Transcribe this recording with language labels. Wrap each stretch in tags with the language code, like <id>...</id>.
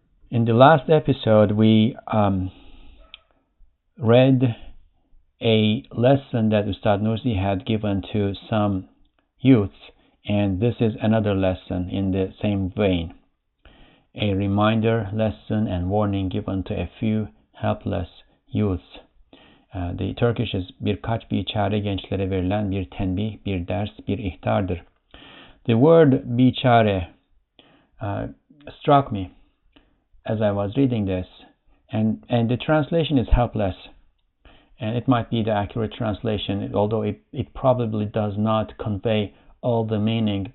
<en>In the last episode, we read a lesson that Ustad Nursi had given to some youths, and this is another lesson in the same vein. A reminder, lesson, and warning given to a few helpless youths. The Turkish is</en> <tr>birkaç biçare gençlere verilen bir tenbih, bir ders, bir ihtardır.</tr> <en>The word biçare struck me as I was reading this, and the translation is helpless, and it might be the accurate translation, although it probably does not convey all the meaning.</en>